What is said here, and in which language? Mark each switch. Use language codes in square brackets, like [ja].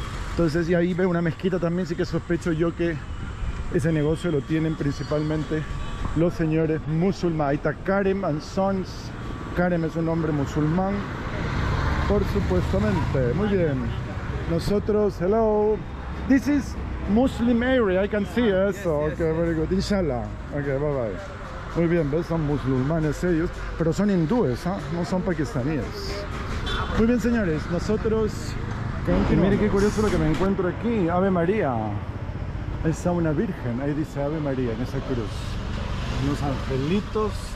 [es] Entonces, y ahí veo una mezquita también, sí que sospecho yo que ese negocio lo tienen principalmente los señores musulmanes. Ahí está Karim and Sons. Karim es un hombre musulmán, por supuestamente. Muy bien. Nosotros, [en] hello. This is Muslim area, I can see [es] eso. [en] Yes, okay, yes, very good. Inshallah. Okay, bye bye. [es] Muy bien, ¿ves? Son musulmanes ellos, pero son hindúes, ¿eh? No son pakistaníes. Muy bien, señores, nosotros continuamos. Y mire qué curioso lo que me encuentro aquí. Ave María. Ahí está una virgen. Ahí dice Ave María en esa cruz. Unos angelitos.